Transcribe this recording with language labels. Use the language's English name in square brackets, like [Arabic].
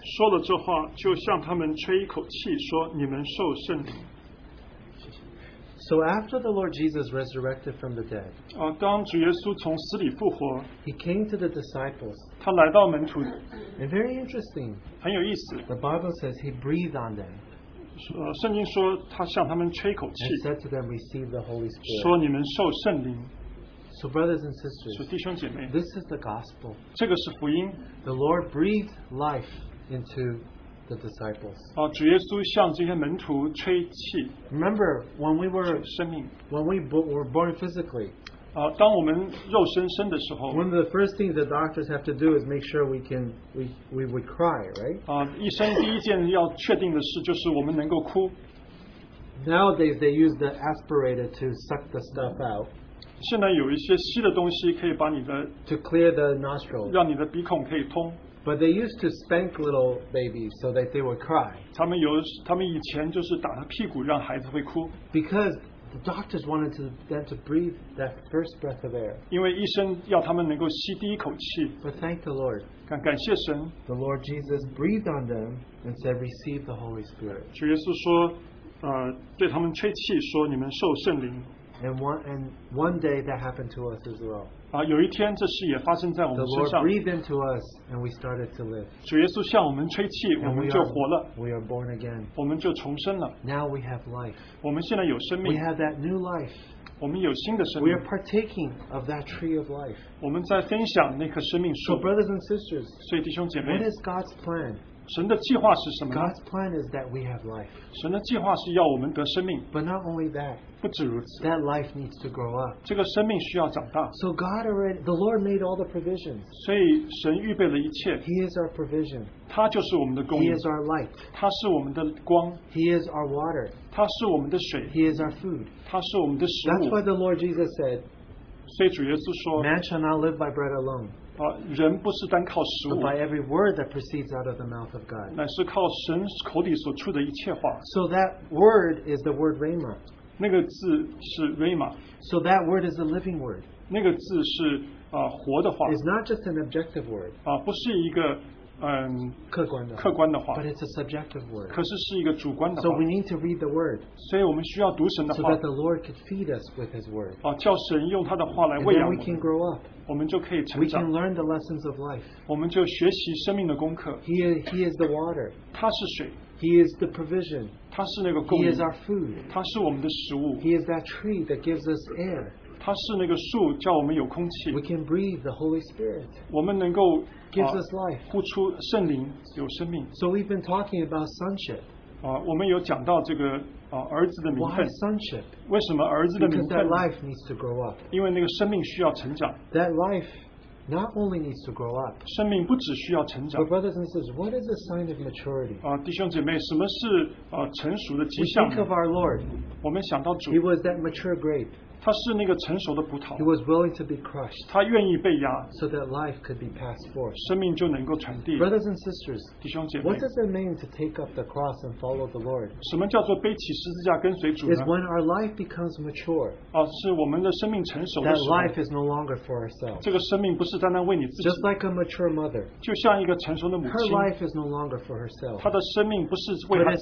[Chinese] 说了这话,就向他们吹一口气,说,你们受圣灵。 [English] So after the Lord Jesus resurrected from the dead, [Chinese] 当主耶稣从死里复活, [English] he came to the disciples. [Chinese] 他来到门徒, [English] and very interesting, [Chinese] 很有意思, [English] the Bible says he breathed on them. [Chinese] 圣经说,他向他们吹一口气, [English] and said to them, receive the Holy Spirit. [Chinese] 说,你们受圣灵。 [English] So brothers and sisters, [Chinese] 所以弟兄姐妹, [English] this is the gospel. [Chinese] 这个是福音, [English] the Lord breathed life into the disciples. [Chinese] 主耶稣向这些门徒吹气, [English] remember, when we were [Chinese] 生命, [English] when we were born physically, [Chinese] 当我们肉身生的时候, [English] one of the first things the doctors have to do is make sure we would cry, right? [Chinese] 医生第一件要确定的事就是我们能够哭。 [English] Nowadays, they use the aspirator to suck the stuff out. [Chinese] 现在有一些吸的东西可以把你的, [English] to clear the nostrils, [Chinese] 让你的鼻孔可以通, [English] but they used to spank little babies so that they would cry. [Chinese] 他们以前就是打他屁股让孩子会哭, [English] because the doctors wanted them to breathe that first breath of air. [Chinese] 因为医生要他们能够吸第一口气, [English] but thank the Lord. [Chinese] 感谢神, [English] the Lord Jesus breathed on them and said, receive the Holy Spirit. [Chinese] 主耶稣说, 对他们吹气说, 你们受圣灵。 [English] And one day that happened to us as well. [Chinese] 有一天这事也发生在我们身上。 [English] The Lord breathed into us and we started to live. [Chinese] 主耶稣向我们吹气, 我们就活了。 [English] We are born again. [Chinese] 我们就重生了。 [English] Now we have life. [Chinese] 我们现在有生命。 [English] We have that new life. [Chinese] 我们有新的生命。 [English] We are partaking of that tree of life. [Chinese] 我们在分享那棵生命树。 [English] So brothers and sisters, [Chinese] 所以弟兄姐妹, [English] what is God's plan? [Chinese] 神的计划是什么呢? [English] God's plan is that we have life. [Chinese] 神的计划是要我们得生命。 [English] But not only that, [Chinese] 不止如此, [English] that life needs to grow up. [Chinese] 这个生命需要长大。 [English] So God already, the Lord made all the provisions. [Chinese] 所以神预备了一切。 [English] He is our provision. [Chinese] 他就是我们的供应。 [English] He is our light. [Chinese] 他是我们的光。 [English] He is our water. [Chinese] 他是我们的水。 [English] He is our food. [Chinese] 他是我们的食物。 [English] That's why the Lord Jesus said, [Chinese] 所以主耶稣说, [English] man shall not live by bread alone. [Chinese] 人不是单靠食物, [English] but by every word that proceeds out of the mouth of God. [Chinese] 乃是靠神口里所出的一切话。 [English] So that word is the word rhema. [Chinese] 那个字是rhema, [English] so that word is a living word. [Chinese] 那个字是, 活的话, [English] it's not just an objective word. [Chinese] 不是一个, 客观的话, [English] but it's a subjective word. [Chinese] 可是是一个主观的话, [English] so we need to read the word. [Chinese] 所以我们需要读神的话, [English] so that the Lord could feed us with his word. [Chinese] 叫神用他的话来喂养我们, [English] and then we can grow up. We can learn the lessons of life. He is the water. [Chinese] 他是水, [English] he is the provision. [Chinese] 他是那个供应, [English] he is our food. [Chinese] 他是我们的食物, [English] he is that tree that gives us air. [Chinese] 他是那个树叫我们有空气, [English] we can breathe the Holy Spirit. [Chinese] 我们能够, [English] gives us life. [Chinese] 呼出圣灵, 有生命。 [English] So we've been talking about sonship. [Chinese] 我们有讲到这个, [English] why sonship? [Chinese] 为什么儿子的名分? [English] Because that life needs to grow up. [Chinese] 因为那个生命需要成长。 [English] That life not only needs to grow up. [Chinese] 生命不只需要成长。 [English] But brothers and sisters, what is a sign of maturity? [Chinese] 弟兄姐妹, 什么是, 成熟的迹象? [English] We think of our Lord. [Chinese] 我们想到主, [English] he was that mature grape. He was willing to be crushed. [Chinese] 他愿意被压, [English] so that life could be passed forth. [Chinese] 生命就能够传递, [English] brothers and sisters, [Chinese] 弟兄姐妹, [English] what does it mean to take up the cross and follow the Lord? [Chinese] 什么叫做背起十字架跟随主呢? [English] Is when our life becomes mature. [Chinese] 啊, 是我们的生命成熟的时候, [English] that life is no longer for ourselves. [Chinese] 这个生命不是单单为你自己, [English] just like a mature mother. [Chinese] 就像一个成熟的母亲, [English] her life is no longer for herself. [Chinese] 她的生命不是为她自己,